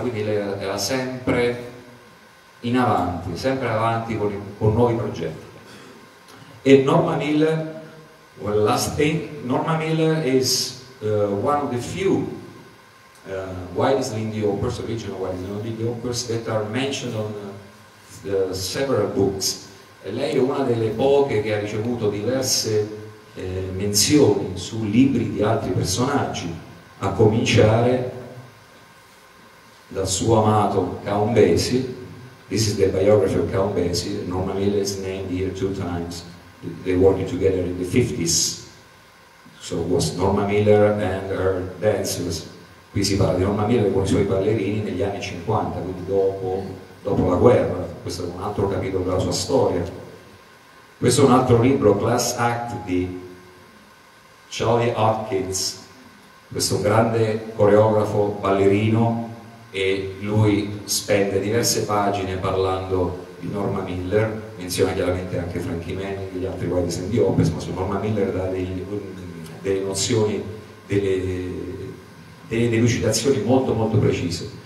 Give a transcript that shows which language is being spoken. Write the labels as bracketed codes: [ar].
[it] Quindi lei era sempre in avanti, sempre avanti con nuovi progetti. E Norma Miller. [en] Well, last thing, Norma Miller is one of the few Wildest Lindy Hoppers, original Wildest Lindy Hoppers, that are mentioned on the several books. [it] E lei è una delle poche che ha ricevuto diverse menzioni su libri di altri personaggi, a cominciare dal suo amato Count Basie. [en] This is the biography of Count Basie. Norma Miller is named here two times. They worked together in the 50s, so it was Norma Miller and her dancers. [it] Qui si parla di Norma Miller con i suoi ballerini negli anni 50, quindi dopo la guerra. Questo è un altro capitolo della sua storia. Questo è un altro libro, Class Act, di Charlie Hopkins, questo grande coreografo ballerino, e lui spende diverse pagine parlando di Norma Miller, menziona chiaramente anche Frankie Manning e gli altri Wildest Lindy Hoppers, ma su Norma Miller dà delle nozioni, delle delucidazioni molto molto precise.